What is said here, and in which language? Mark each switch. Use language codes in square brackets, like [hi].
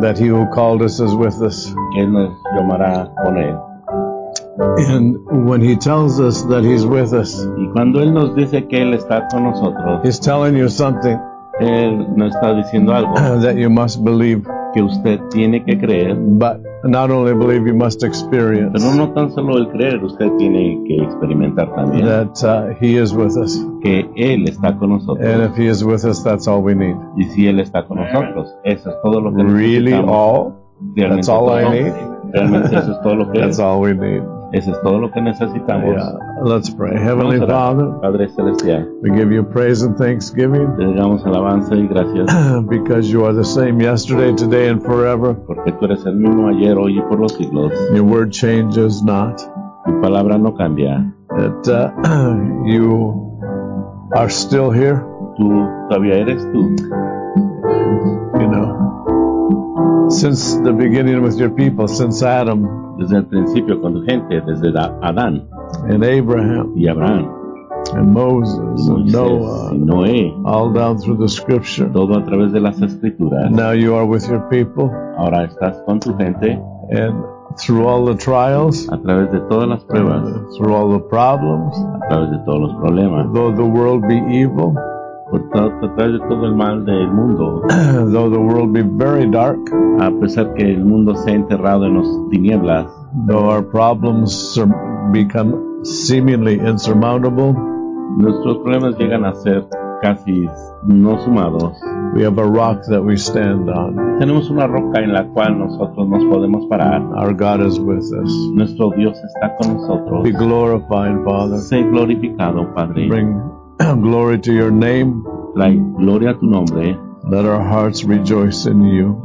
[en] That he who called us is with us. [es] Que él nos llamará con él. [en] And when he tells us that he's with us, [es] y cuando él nos dice que él está con nosotros, [en] he's telling you something. [es] Él nos está diciendo algo. [en] That you must believe. [es] Que usted tiene que creer. [en] But not only believe, you must experience. [es] Pero no tan solo el creer, usted tiene que experimentar también. [en] That he is with us. [es] Que él está con nosotros. [en] And if he is with us, that's all we need. [es] Y si él está con nosotros, eso es todo lo que necesitamos. [en] Really all? [es] Realmente [en] that's all [es] todo. [en] I need. [es] Realmente eso es todo lo que [en] that's all we need. [es] Eso es todo lo que necesitamos. [en] Yeah. Let's pray. Heavenly Father, [es] Padre Celestial, [en] we give you praise and thanksgiving. [es] Te damos alabanza y gracias. [en] Because you are the same yesterday, today, and forever. [es] Porque tú eres el mismo ayer, hoy y por los siglos. [en] Your word changes not. [es] Tu palabra no cambia. [en] That you are still here. [es] Tú todavía eres tú. [en] You know, since the beginning with your people, since Adam. [es] Desde el principio con tu gente, desde Adán. [en] And Abraham, [es] y Abraham, [en] and Moses, [es] Moisés, [en] and Noah, [es] y Noé, [en] all down through the Scripture. [es] Todo a través de las Escrituras. [en] Now you are with your people. [es] Ahora estás con tu gente. [en] And through all the trials, [es] a través de todas las pruebas. [en] Through all the problems, [es] a través de todos los problemas. [en] Though the world be evil, [es] por a través de todo el mal del mundo. [en] Though the world be very dark, [es] a pesar que el mundo sea enterrado en las tinieblas. [en] Though our problems become seemingly insurmountable, [es] nuestros problemas llegan a ser casi no sumados. [en] We have a rock that we stand on. [es] Tenemos una roca en la cual nosotros nos podemos parar. [en] Our God is with us. [es] Nuestro Dios está con nosotros. [en] Be glorified, Father. [es] Sé glorificado, Padre. [en] Bring glory to your name. [es] Trae gloria a tu nombre. [en] Let our hearts rejoice in you.